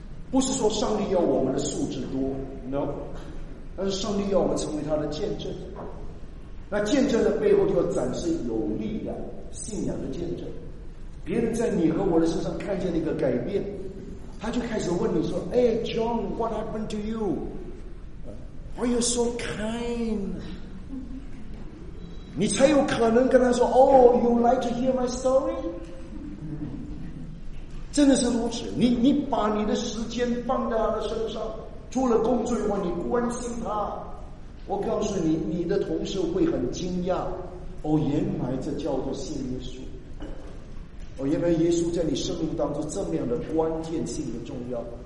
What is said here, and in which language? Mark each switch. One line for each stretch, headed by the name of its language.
Chinese: 不是说上帝要我们的数字多 ，no， 但是上帝要我们成为他的见证。那见证的背后就要展示有力的信仰的见证。别人在你和我的身上看见了一个改变，他就开始问你说：“哎 ，John，
English: what happened to you？ Why are you so kind？”
Chinese: 你才有可能跟他说：“哦、
English: oh, ，you like to hear my story。”
Chinese: 真的是如此，你把你的时间放在他的身上，除了工作以外，你关心他。我告诉你，你的同事会很惊讶，哦，原来这叫做信耶稣。哦，原来耶稣在你生命当中这么样的关键性的重要。